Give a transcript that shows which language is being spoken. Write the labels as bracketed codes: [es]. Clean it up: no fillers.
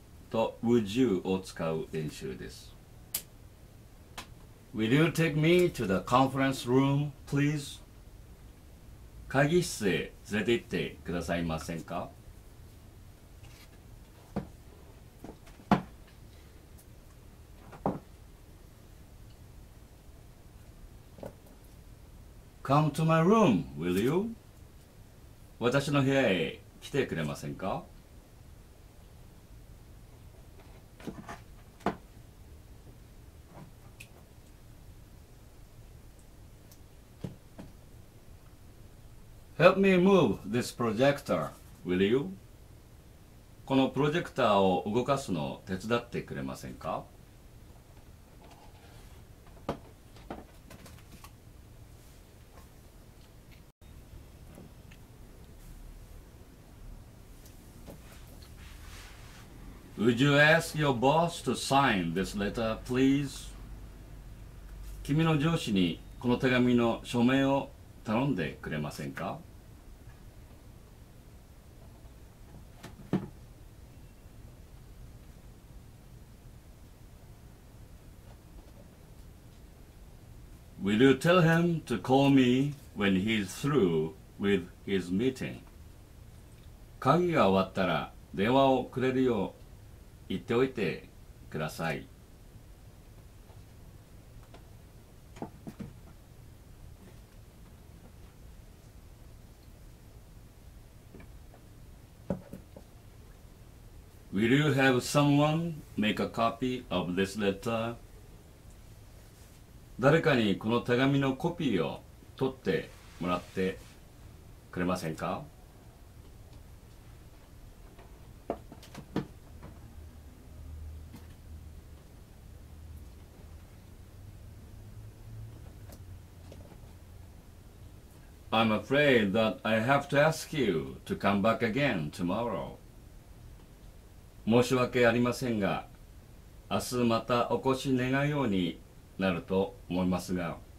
[ja] と [en] Would you [ja] を使う練習です。 [en] Will you take me to the conference room, please? [ja] 会議室へ連れて行ってくださいませんか。 [en] Come to my room, will you? [ja] 私の部屋へ来てくれませんか。 [en] Help me move this projector, will you? [ja] このプロジェクターを動かすのを手伝ってくれませんか。 [en] Would you ask your boss to sign this letter, please? [ja] 君の上司にこの手紙の署名を頼んでくれませんか。 [en] Will you tell him to call me when he's through with his meeting? [ja] 会議が終わったら電話をくれるよう言っておいてください。 [en] Will you have someone make a copy of this letter? [ja] 誰かにこの手紙のコピーを取ってもらってくれませんか？ [en] I'm afraid that I have to ask you to come back again tomorrow. [ja] 申し訳ありませんが、明日またお越し願うようになると思いますが。